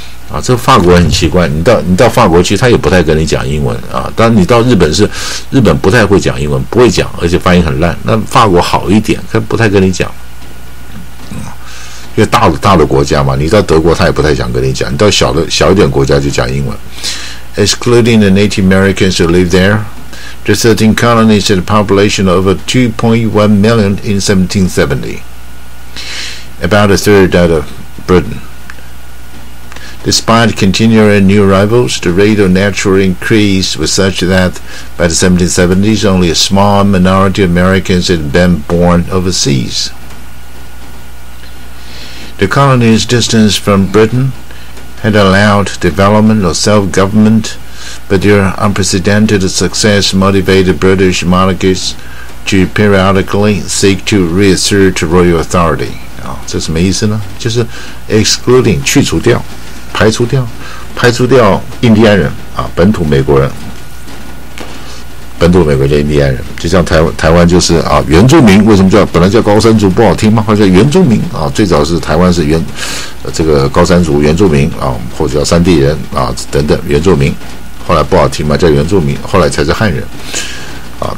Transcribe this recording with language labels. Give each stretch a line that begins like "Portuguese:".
Chinese: 啊，这法国很奇怪，你到法国去他也不太跟你讲英文啊，但你到日本是日本不太会讲英文，不会讲，而且发音很烂，那法国好一点，他不太跟你讲。因为大的国家嘛，你到德国他也不太想跟你讲，你到小一点国家就讲英文。
English: Excluding the Native Americans who live there, the 13 colonies had a population of over 2.1 million in 1770, about a third that of Britain. Despite continuing new arrivals, the rate of natural increase was such that by the 1770s only a small minority of Americans had been born overseas. The colony's distance from Britain had allowed development of self-government, but their unprecedented success motivated British monarchists to periodically seek to reassert royal authority.
Chinese: 这什么意思呢？就是 excluding 去除掉，排除掉印第安人啊，本土美国人印第安人，就像台湾就是啊原住民，为什么叫本来叫高山族不好听吗？或者叫原住民啊，最早是台湾是原这个高山族原住民啊，或者叫山地人啊等等原住民，后来不好听嘛，叫原住民，后来才是汉人啊。